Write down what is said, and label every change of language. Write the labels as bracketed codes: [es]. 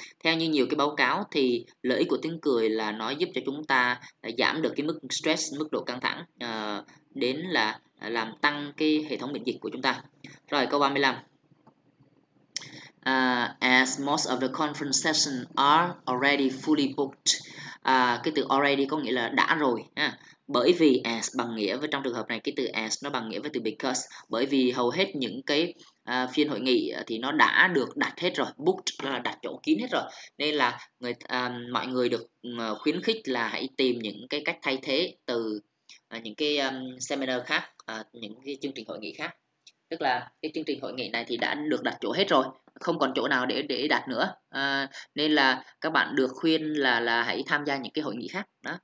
[vi] Theo như nhiều cái báo cáo thì lợi ích của tiếng cười là nó giúp cho chúng ta giảm được cái mức stress, mức độ căng thẳng, đến là làm tăng cái hệ thống miễn dịch của chúng ta. Rồi câu 35. [en] As most of the conference sessions are already fully booked. [vi] Cái từ already có nghĩa là đã rồi ha. Bởi vì as bằng nghĩa với, trong trường hợp này cái từ as nó bằng nghĩa với từ because, bởi vì hầu hết những cái phiên hội nghị thì nó đã được đặt hết rồi, booked là đặt chỗ kín hết rồi, nên là người mọi người được khuyến khích là hãy tìm những cái cách thay thế từ những cái seminar khác, những cái chương trình hội nghị khác, tức là cái chương trình hội nghị này thì đã được đặt chỗ hết rồi, không còn chỗ nào để đặt nữa, nên là các bạn được khuyên là hãy tham gia những cái hội nghị khác đó.